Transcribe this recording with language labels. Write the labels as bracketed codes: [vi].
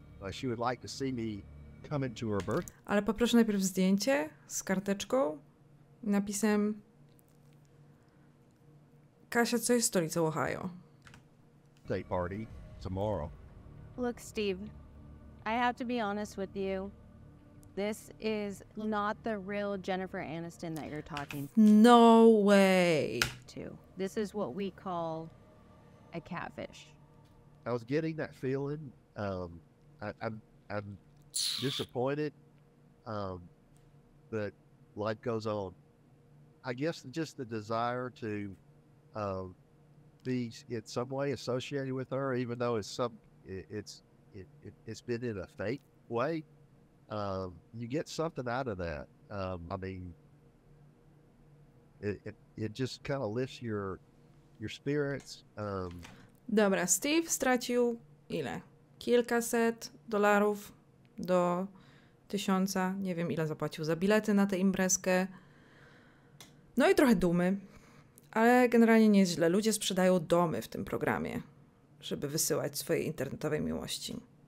[en] She would like to see me come into her birth. [pl] Ale poproszę najpierw zdjęcie z karteczką, napisem Kasia, co jest stolicą Ohio? [en] Day party tomorrow. Look, Steve, I have to be honest with you. This is not the real Jennifer Aniston that you're talking to. No way. This is what we call a catfish. I was getting that feeling. I'm disappointed. But life goes on. I guess just the desire to be in some way associated with her, even though it's been in a fake way. You get something out of that. I mean, it just kind of lifts your spirits. [pl] Dobra, Steve stracił ile? Kilkaset dolarów do tysiąca. Nie wiem, ile zapłacił za bilety na tę imprezkę. No i trochę dumy. Ale generalnie nie jest źle. Ludzie sprzedają domy w tym programie, żeby wysyłać swoje internetowe miłości.